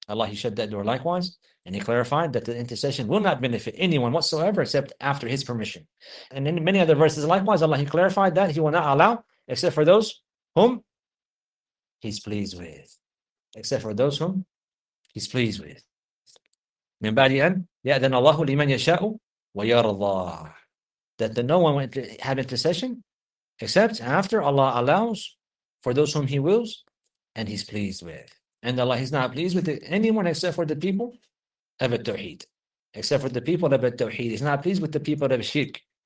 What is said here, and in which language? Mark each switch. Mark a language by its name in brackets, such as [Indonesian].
[English] Allah, he shut that door likewise. And he clarified that the intercession will not benefit anyone whatsoever except after his permission. And in many other verses likewise, Allah, he clarified that he will not allow except for those whom he's pleased with. Except for those whom he's pleased with. [Arabic] من بعد أن يأذن الله لمن يشاء ويرضى. [English] That no one will have intercession except after Allah allows for those whom he wills and he's pleased with. And Allah is not pleased with anyone except for the people of a tawheed, except for the people of a tawheed. He's not pleased with the people of shirk.